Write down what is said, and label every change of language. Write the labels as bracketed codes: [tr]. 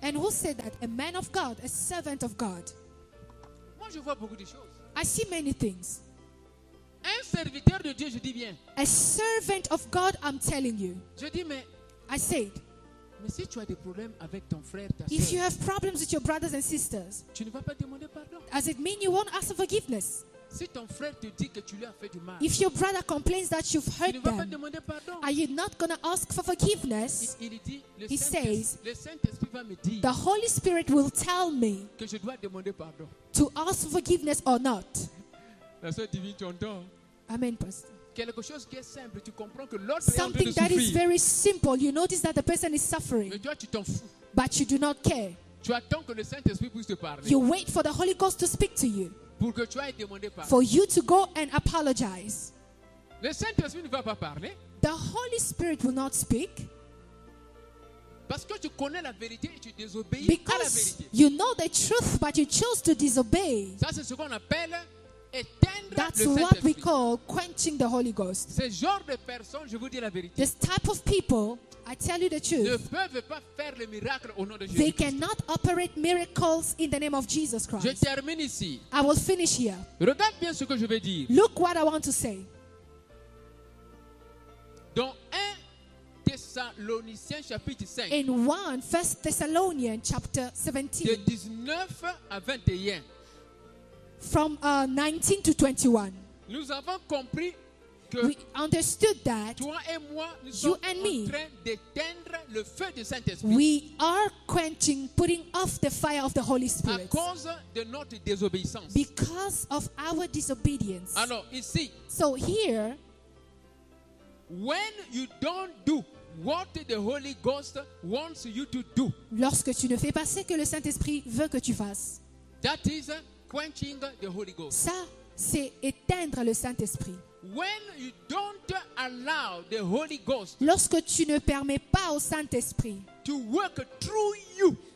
[en] And who said that? A man of God, a servant of God. [fr] Moi, je vois beaucoup de choses. [en] I see many things. [fr] Un serviteur de Dieu, je dis bien. [en] A servant of God, I'm telling you. [fr] Je dis mais, [en] I said. [fr] Mais si tu as des problèmes avec ton frère, ta [en] if [fr] soeur, [en] you have problems with your brothers and sisters, [fr] tu ne vas pas demander pardon. [en] Does it mean you won't ask for forgiveness? [fr] Si ton frère te dit que tu lui as fait du mal, [en] if your brother complains that you've hurt [fr] tu ne vas [en] them, [fr] pas demander pardon. [en] Are you not going to ask for forgiveness? [fr] Il dit, le [en] he says, [fr] le Saint-Esprit va me dire, [en] the Holy Spirit will tell me [fr] que je dois demander pardon. [en] To ask for forgiveness or not. [fr] La soeur divine, tu entends? [en] Amen, Pastor. [fr] Quelque chose qui est simple, tu comprends que l'autre [en] something [fr] est en train de souffrir. [en] Is very simple, you notice that the person is suffering. [fr] Mais toi, tu t'en fous. [en] But you do not care. [fr] Tu attends que le Saint-Esprit puisse te parler. [en] You wait for the Holy Ghost to speak to you. [fr] Pour que tu ailles demander pardon. [en] For you to go and apologize. [fr] Le Saint-Esprit ne va pas parler. [en] The Holy Spirit will not speak. [fr] Parce que tu connais la vérité et tu désobéis [en] because [fr] à la vérité. [en] You know the truth, but you chose to disobey. [fr] Ça, c'est ce qu'on appelle. [en] That's what we call quenching the Holy Ghost. [fr] Ce genre de personnes, je vous dis la vérité. [en] This type of people, I tell you the truth, [fr] ne peuvent pas faire les miracles au nom de Jésus. [en] They cannot operate miracles in the name of Jesus Christ. [fr] Je termine ici. [en] I will finish here. [fr] Regarde bien ce que je vais dire. [en] Look what I want to say. [fr] Dans 1 Thessaloniciens chapitre 5. [en] In 1 Thessalonians chapter 17. [fr] De 19 à 21. [en] From 19 to 21. [fr] Nous avons compris que [en] we understood that [fr] toi et moi, nous [en] you [fr] sommes [en] and [fr] en train d'éteindre le feu du Saint-Esprit. [en] We are quenching, putting off the fire of the Holy Spirit. [fr] À cause de notre désobéissance. [en] Because of our disobedience. [fr] Alors ici. [en] So here. When you don't do what the Holy Ghost wants you to do. [fr] Lorsque tu ne fais pas ce que le Saint-Esprit veut que tu fasses. [en] That is quenching the Holy Ghost. [fr] Ça, c'est éteindre le Saint-Esprit. [en] When you don't allow the Holy Ghost [fr] lorsque tu ne permets pas au Saint-Esprit [en] to work through you,